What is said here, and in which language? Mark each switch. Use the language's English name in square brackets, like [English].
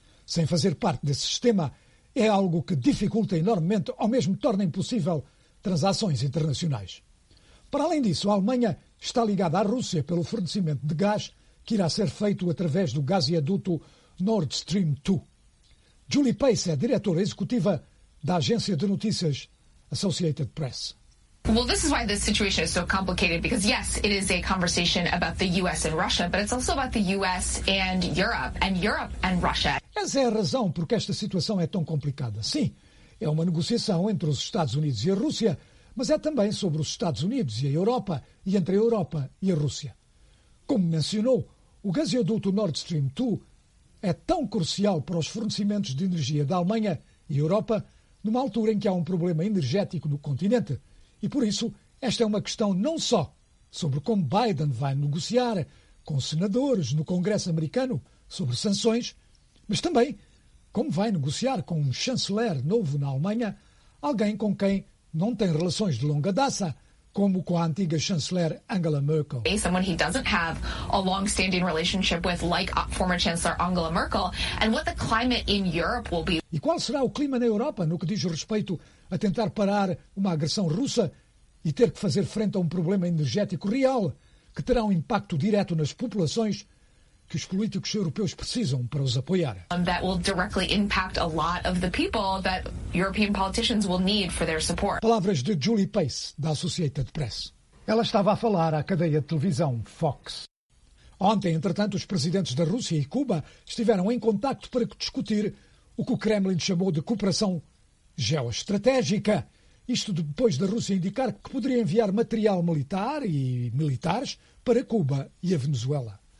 [Portuguese] Sem fazer parte desse sistema é algo que dificulta enormemente ou mesmo torna impossível transações internacionais. Para além disso, a Alemanha está ligada à Rússia pelo fornecimento de gás que irá ser feito através do gasoduto Nord Stream 2. Julie Pace é a diretora executiva da agência de notícias Associated Press. [English] Well, this is why this situation is so complicated, because yes, it is a conversation about the US and Russia, but it's also about the US and Europe and Russia. [Portuguese] Essa é a razão porque esta situação é tão complicada. Sim, é uma negociação entre os Estados Unidos e a Rússia, mas é também sobre os Estados Unidos e a Europa e entre a Europa e a Rússia. Como mencionou, o gasoduto Nord Stream 2 é tão crucial para os fornecimentos de energia da Alemanha e Europa numa altura em que há um problema energético no continente. E por isso, esta é uma questão não só sobre como Biden vai negociar com senadores no Congresso americano sobre sanções, mas também como vai negociar com um chanceler novo na Alemanha, alguém com quem não tem relações de longa data, como com a antiga chanceler Angela Merkel. [English] Someone he doesn't have a long-standing relationship with, like former chancellor Angela Merkel, and what the climate in Europe will be. [Portuguese] E qual será o clima na Europa no que diz respeito a tentar parar uma agressão russa e ter que fazer frente a um problema energético real, que terá um impacto direto nas populações que os políticos europeus precisam para os apoiar. [English] That will directly impact a lot of the people that European politicians will need for their support. [Portuguese] Palavras de Julie Pace, da Associated Press. Ela estava a falar à cadeia de televisão Fox. Ontem, entretanto, os presidentes da Rússia e Cuba estiveram em contacto para discutir o que o Kremlin chamou de cooperação geoestratégica. Isto depois da Rússia indicar que poderia enviar material militar e militares para Cuba e a Venezuela.